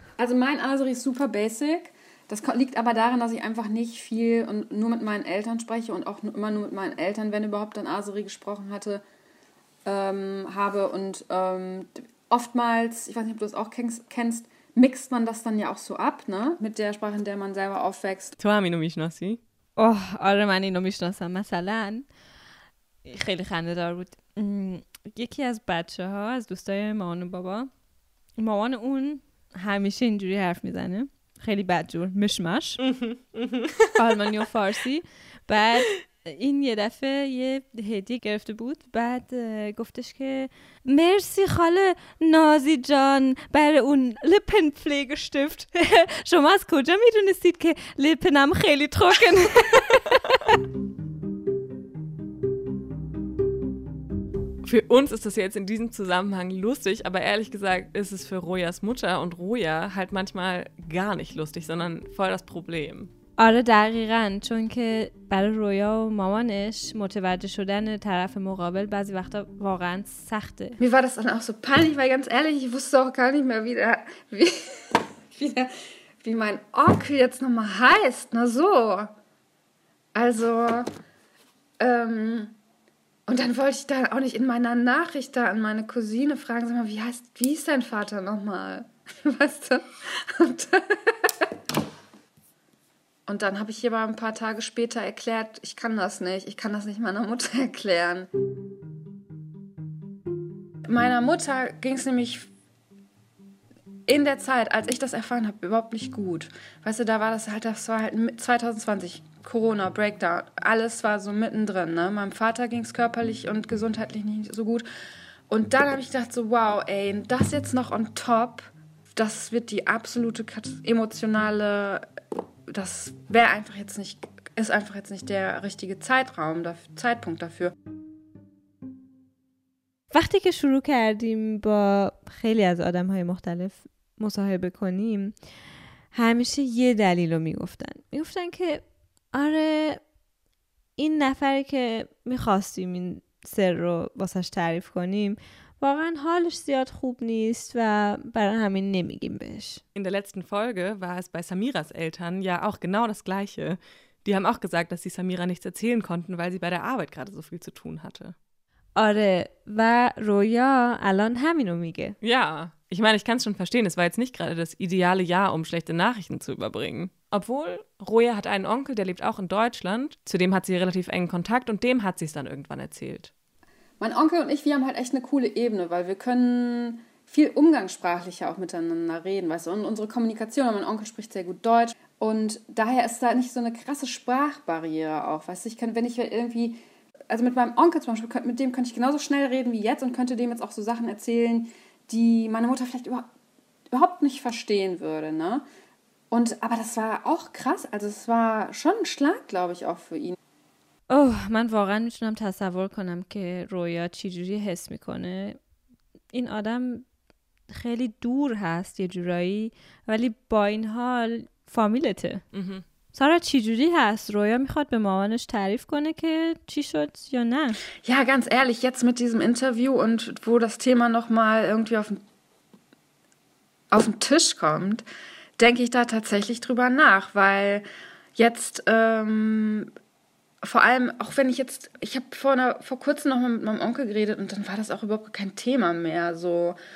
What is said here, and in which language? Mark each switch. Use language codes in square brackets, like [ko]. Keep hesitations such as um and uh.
[de] Also mein Aseri ist super basic. Das ko- liegt aber daran, dass ich einfach nicht viel und nur mit meinen Eltern spreche und auch nur- immer nur mit meinen Eltern, wenn überhaupt, dann Aseri gesprochen hatte, ähm, habe. Und ähm, oftmals, ich weiß nicht, ob du das auch kennst, kennst, mixt man das dann ja auch so ab, ne? Mit der Sprache, in der man selber aufwächst. [fa] تو همینو میشناسی؟ اوه آره من اینو میشناسم مثلا خیلی خنده دار بود م، یکی از بچه ها از دوستای مامان و بابا مامان اون همیشه اینجوری حرف میزنه خیلی بدجور مشمش آلمانی و فارسی بعد این یه دفعه یه هدیه گرفته بود بعد اه، گفتش که مرسی خاله نازی جان برای اون [de] لپن پفلگشتفت [fa] شما از کجا میدونستید که لپنم خیلی [de] تروکن Für uns ist das jetzt in diesem Zusammenhang lustig, aber ehrlich gesagt ist es für Rojas Mutter und Roja halt manchmal gar nicht lustig, sondern voll das Problem. [fa] آره دقیقا چون که برای رویا و مامانش متوجه شدن طرف مقابل بعضی وقتا واقعا سخته [de] Mir war das dann auch so peinlich, weil ganz ehrlich, ich wusste auch gar nicht mehr, wie der, wie, wie, der, wie mein Onkel jetzt nochmal heißt. Na so. Also, ähm, und dann wollte ich da auch nicht in meiner Nachricht da an meine Cousine fragen, sag mal, wie heißt, wie ist dein Vater nochmal? Weißt du? Und, und dann habe ich hier mal ein paar Tage später erklärt, ich kann das nicht, ich kann das nicht meiner Mutter erklären. Meiner Mutter ging es nämlich in der Zeit, als ich das erfahren habe, überhaupt nicht gut. Weißt du, da war das halt, das war halt mit- 2020, Corona, Breakdown, alles war so mittendrin. Ne? Meinem Vater ging es körperlich und gesundheitlich nicht so gut. Und dann habe ich gedacht, so, wow, ey, das jetzt noch [en] on top, [de] das wird die absolute Kat emotionale, das wäre einfach jetzt nicht, ist einfach jetzt nicht der richtige Zeitraum, daf- Zeitpunkt dafür. [fa] وقتی که شروع کردیم با خیلی از آدم های مختلف مصاحبه کنیم همیشه یه دلیل رو میگفتن میگفتن که آره این نفری که میخواستیم این سر رو واسش تعریف کنیم واقعا حالش زیاد خوب نیست و برای همین نمیگیم بهش [de] In der letzten Folge war es bei Samiras Eltern ja auch genau das Gleiche. Die haben auch gesagt, dass sie Samira nichts erzählen konnten, weil sie bei der Arbeit gerade so viel zu tun hatte. [fa] آره و رویا الان همینو میگه [de] Ja, ich meine, ich kann es schon verstehen. Es war jetzt nicht gerade das ideale Jahr, um schlechte Nachrichten zu überbringen. Obwohl, Roja hat einen Onkel, der lebt auch in Deutschland. Zu dem hat sie relativ engen Kontakt und dem hat sie es dann irgendwann erzählt. Mein Onkel und ich, wir haben halt echt eine coole Ebene, weil wir können viel umgangssprachlicher auch miteinander reden, weißt du, und unsere Kommunikation, mein Onkel spricht sehr gut Deutsch und daher ist da nicht so eine krasse Sprachbarriere auch, weißt du, ich kann, wenn ich irgendwie, also mit meinem Onkel zum Beispiel, könnt- mit dem könnte ich genauso schnell reden wie jetzt und könnte dem jetzt auch so Sachen erzählen, die meine Mutter vielleicht über, überhaupt nicht verstehen würde, ne? Und, aber das war auch krass, also es war schon ein Schlag, glaube ich, auch für ihn. [fa] اوه من واقعا میتونم تصور کنم که رویا چجوری حس میکنه این آدم خیلی دور هست یه جورایی ولی با این حال فامیلته Mhm. سارا چجوری هست رویا میخواد به مامانش تعریف کنه که چی شد یا نه [de] Ja, ganz ehrlich, jetzt mit diesem Interview und wo das Thema nochmal irgendwie auf den, auf den Tisch kommt, denke ich da tatsächlich drüber nach, weil jetzt ähm, vor allem, auch wenn ich jetzt, ich habe vor, einer- vor kurzem noch mal mit meinem Onkel geredet und dann war das auch überhaupt kein Thema mehr so.